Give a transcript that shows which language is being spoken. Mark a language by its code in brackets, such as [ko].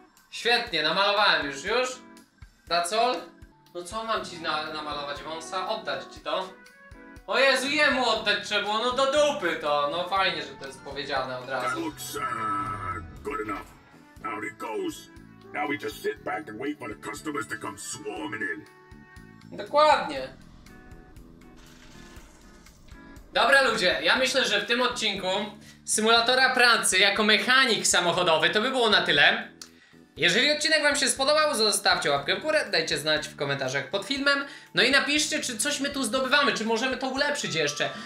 [pl] Świetnie, namalowałem już. Już? [en] That's all? [pl] No co mam ci namalować wąsa? Oddać ci to? O Jezu, jemu oddać trzeba było, no do dupy to! No fajnie, że to jest powiedziane od razu. [en] That looks, good enough. Out it goes. Now we just sit back and wait for the customers to come swarming in. [pl] Dokładnie. Dobra ludzie, ja myślę, że w tym odcinku symulatora pracy jako mechanik samochodowy to by było na tyle. Jeżeli odcinek wam się spodobał, zostawcie łapkę w górę, dajcie znać w komentarzach pod filmem. No i napiszcie, czy coś my tu zdobywamy, czy możemy to ulepszyć jeszcze.